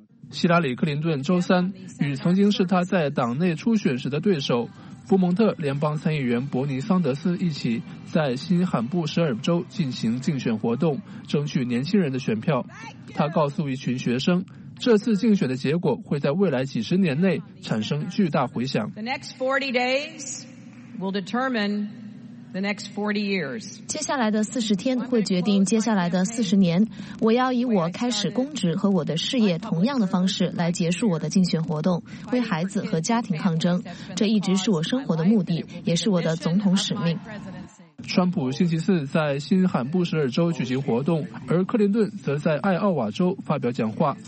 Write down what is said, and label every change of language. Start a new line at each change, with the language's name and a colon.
Chinese: 希拉里·克林顿周三与曾经是他在党内初选时的对手福蒙特联邦参议员伯尼·桑德斯一起在新罕布什尔州进行竞选活动，争取年轻人的选票。他告诉一群学生，这次竞选的结果会在未来几十年内产生巨大回响。
English: The next 40 days will determine the next 40 years.
Chinese: 接下来的40天会决定接下来的40年。我要以我开始公职和我的事业同样的方式来结束我的竞选活动，为孩子和家庭抗争。这一直是我生活的目的，也是我的总统使命。川普星期四在新罕布什尔州举行活动，而克林顿则在爱奥瓦州发表讲话。